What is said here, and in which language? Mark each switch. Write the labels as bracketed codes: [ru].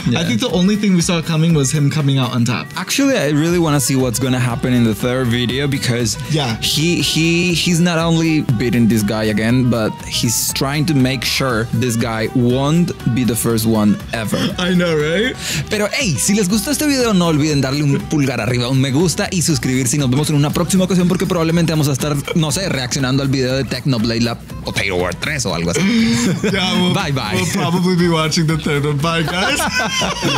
[en] Yeah. I think the only thing we saw coming was him coming out on top. Actually, I really want to see what's going to happen in the third video, because he's not only beating this guy again, but he's trying to make sure this guy won't be the first one ever. I know, right? [es] Pero hey, si les gustó este video, no olviden darle un pulgar arriba, un me gusta y suscribirse. Y nos vemos en una próxima ocasión, porque probablemente vamos a estar, no sé, reaccionando al video de Technoblade Lab Potato War 3 o algo así. [en] Yeah, we'll, bye bye. We'll probably be watching the third one. Bye, guys.